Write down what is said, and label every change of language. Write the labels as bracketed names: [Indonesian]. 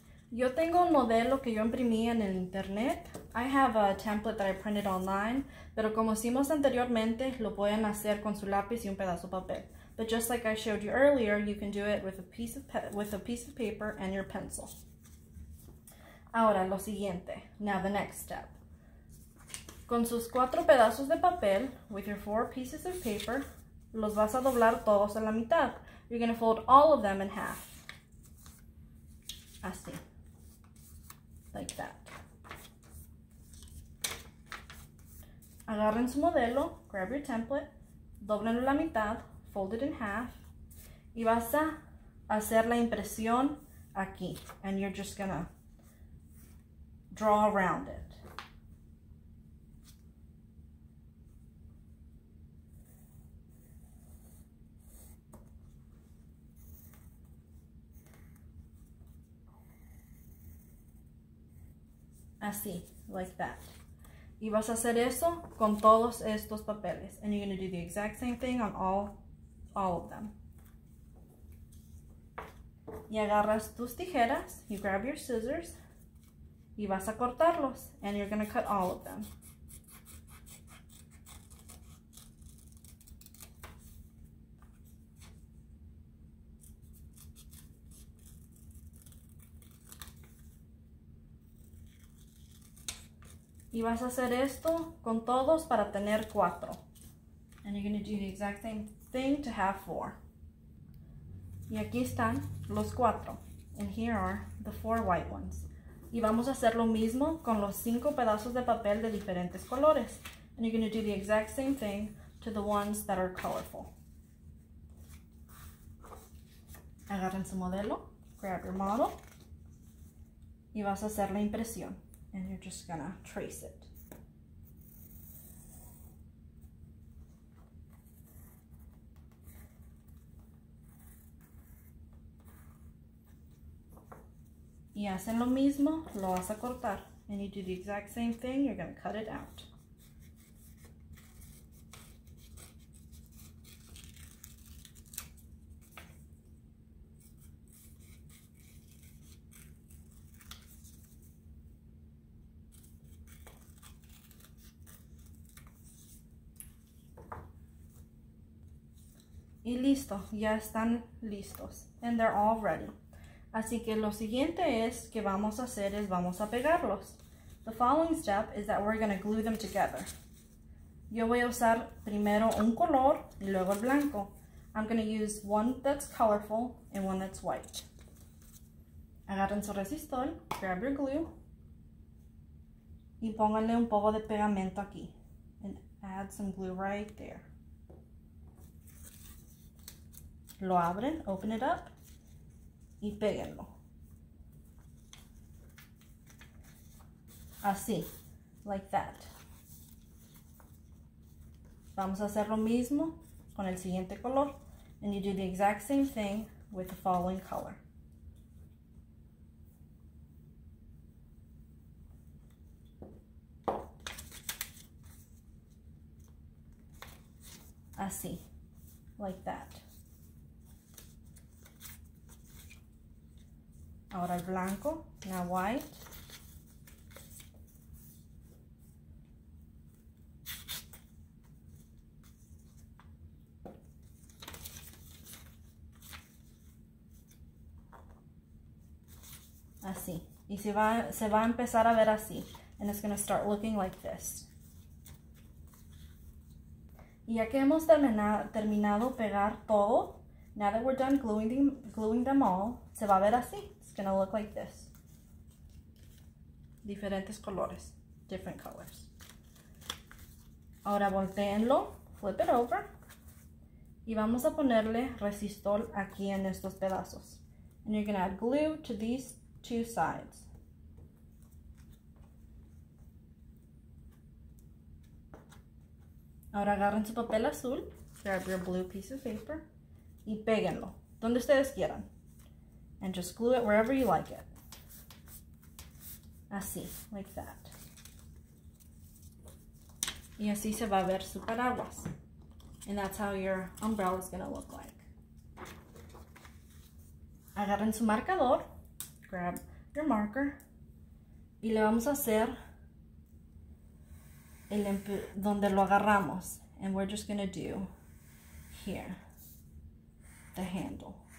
[Spanish] Yo tengo un modelo que yo imprimí en el internet. [English] I have a template that I printed online. [Spanish] Pero como hicimos anteriormente, lo pueden hacer con su lápiz y un pedazo de papel. [English] But just like I showed you earlier, you can do it with a piece of paper and your pencil. [Spanish] Ahora, lo siguiente. [English] Now, the next step. [Spanish] Con sus cuatro pedazos de papel, [English] with your 4 pieces of paper, [Spanish] los vas a doblar todos a la mitad. [English] You're going to fold all of them in half. [Spanish] Así. [English] Like that. [Spanish] Agarren su modelo, [English] grab your template, [Spanish] doblenlo la mitad, [English] fold it in half, [Spanish] y vas a hacer la impresión aquí. [English] And you're just going to draw around it. [Spanish] Así, [English] like that. [Spanish] Y vas a hacer eso con todos estos papeles. [English] And you're going to do the exact same thing on all of them. [Spanish] Y agarras tus tijeras, [English] you grab your scissors, [Spanish] y vas a cortarlos. [English] And you're going to cut all of them. [Spanish] Y vas a hacer esto con todos para tener 4. [English] And you're going to do the exact same thing to have 4. [Spanish] Y aquí están los 4. [English] And here are the 4 white ones. [Spanish] Y vamos a hacer lo mismo con los 5 pedazos de papel de diferentes colores. [English] And you're going to do the exact same thing to the ones that are colorful. [Spanish] Agarren su modelo. [English] Grab your model. [Spanish] Y vas a hacer la impresión. [English] And you're just gonna trace it. [Spanish] Y hacen lo mismo, lo vas a cortar. [English] And you do the exact same thing, you're gonna cut it out. [Spanish] Y listo, ya están listos. [English] And they're all ready. [Spanish] Así que lo siguiente es que vamos a hacer es vamos a pegarlos. [English] The following step is that we're going to glue them together. [Spanish] Yo voy a usar primero un color y luego el blanco. [English] I'm going to use one that's colorful and one that's white. [Spanish] Agarren su resistol, [English] grab your glue, [Spanish] y pónganle un poco de pegamento aquí. [English] And add some glue right there. [Spanish] Lo abren, [English] open it up, [Spanish] y péguenlo. Así, [English] like that. [Spanish] Vamos a hacer lo mismo con el siguiente color. [English] And you do the exact same thing with the following color. [Spanish] Así, [English] like that. [Spanish] Ahora el blanco, [English] now white. [Spanish] Así. Y se va a empezar a ver así. [English] And it's going to start looking like this. [Spanish] Y ya que hemos terminado pegar todo, [English] now that we're done gluing them all, [Spanish] se va a ver así. [English] It's going to look like this. [Spanish] Diferentes colores. [English] Different colors. [Spanish] Ahora volteenlo. [English] Flip it over. [Spanish] Y vamos a ponerle resistol aquí en estos pedazos. [English] And you're going to add glue to these two sides. [Spanish] Ahora agarren su papel azul, [English] grab your blue piece of paper, [Spanish] y péguenlo donde ustedes quieran. [English] And just glue it wherever you like it. [Spanish] Así, [English] like that. [Spanish] Y así se va a ver su paraguas. [English] And that's how your umbrella is going to look like. [Spanish] Agarren su marcador, [English] grab your marker, [Spanish] y le vamos a hacer el donde lo agarramos. [English] And we're just going to do here, the handle.